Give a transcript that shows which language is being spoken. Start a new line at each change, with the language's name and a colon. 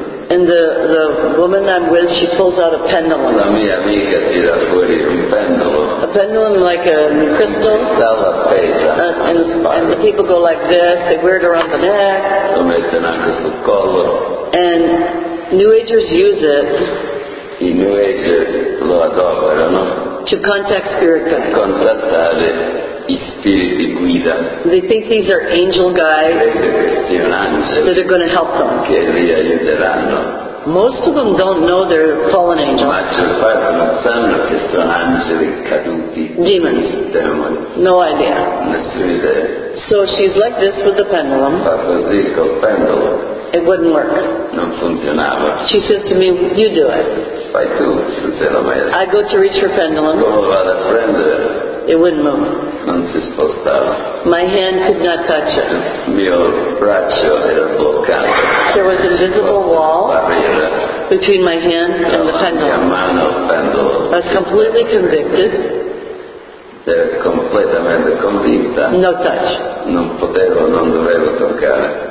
English: And the woman I'm with, she pulls out a pendulum.
Italian: La mia amica tira fuori un pendulum.
English: A pendulum like a crystal. And the people go like this. They wear it around the neck.
Italian: Lo mettono anche sul collo.
English: And New Agers use it.
Italian: I New Agers lo adoperano.
English: To contact spirit guides.
Italian: Contattare I spiriti guida.
English: They think these are angel guides that are going to help them.
Italian: Che li aiuteranno.
English: Most of them don't know they're fallen angels.
Italian: Non sanno che sono angeli caduti.
English: Demons.
Italian: Demoni.
English: No idea.
Italian: Nessuna idea.
English: So she's like this with the pendulum.
Italian: Fa così col pendulum.
English: It wouldn't work.
Italian: Non funzionava.
English: She says to me, you do it.
Italian: Fai tu, tu sei la maestra.
English: I go to reach her pendulum.
Italian: Come vado a prendere?
English: It wouldn't move.
Italian: Non si spostava.
English: My hand could not touch it.
Italian: Mio braccio era bloccato.
English: There was an invisible wall between my hand and the pendulum.
Italian: Mia mano pendolo.
English: I was completely convicted.
Italian: Completamente convinta.
English: No touch.
Italian: Non potevo, non dovevo toccare.